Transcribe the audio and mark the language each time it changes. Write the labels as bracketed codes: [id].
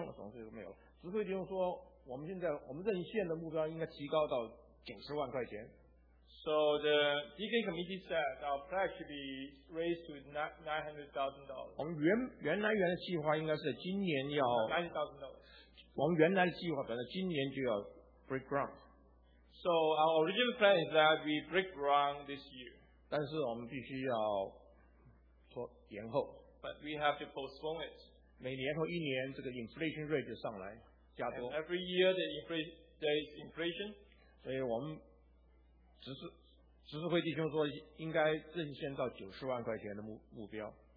[zh] 执事会弟兄说，我们现在我们任县的目标应该提高到90万块钱。 [en] So the deacon committee said our pledge should be raised to $900,000. [zh] 我们原来的计划应该是今年要 [en] $90,000. [zh] 我们原来的计划本来今年就要 [en] break ground. So our original plan is that we break ground this year. [zh] 但是我们必须要说延后。 [en] But we have to postpone it. [zh] 每年后一年，这个 inflation rate 就上来加多。 [en] And、every year there is inflation. [zh] 所以我们执事会弟兄说，应该任县到90万块钱的目标。